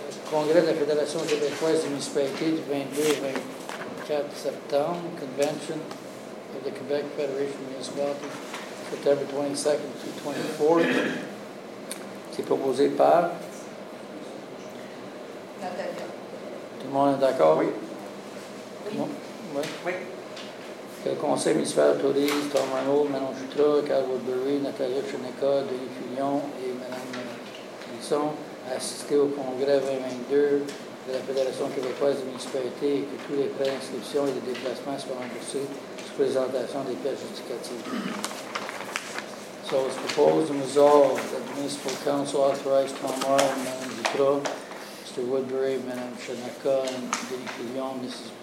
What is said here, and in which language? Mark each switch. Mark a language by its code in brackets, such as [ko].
[fr] Congrès de la Fédération québécoise des municipalités du 22-24 septembre, convention. [en] The Quebec Federation Municipality, September 22nd to 24th. [fr] C'est proposé par Natalia. Tout le monde est d'accord? Oui. Oui. Le conseil municipal autorise Tom Arnold, Manon Jutra, Carl Woodbury, Natalia Cheneca, Denis Fillon et Mme Tisson à assister au congrès 2022 de la Fédération québécoise des municipalités et que tous les prêts d'inscription et de déplacement soient remboursés. Présentation des pièces justificatives. [en] So it's proposed and resolved that the Municipal Council authorized Tom Arnold, Madame Dutra, Mr. Woodbury, Madame Chanaka, and Denis Fillon, Mrs.